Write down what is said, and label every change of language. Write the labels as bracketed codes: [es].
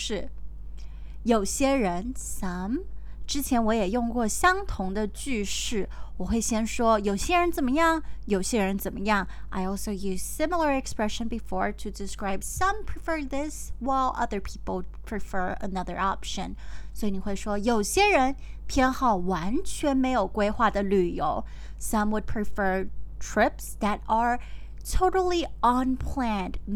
[zh] 我们喜欢不同的旅游方式。有些人 some 之前我也用过相同的句式，我会先说有些人怎么样，有些人怎么样。 [en] I also used similar expression before to describe some prefer this while other people prefer another option. [zh] 所以你会说有些人偏好完全没有规划的旅游。 [en] Some would prefer trips that are totally unplanned,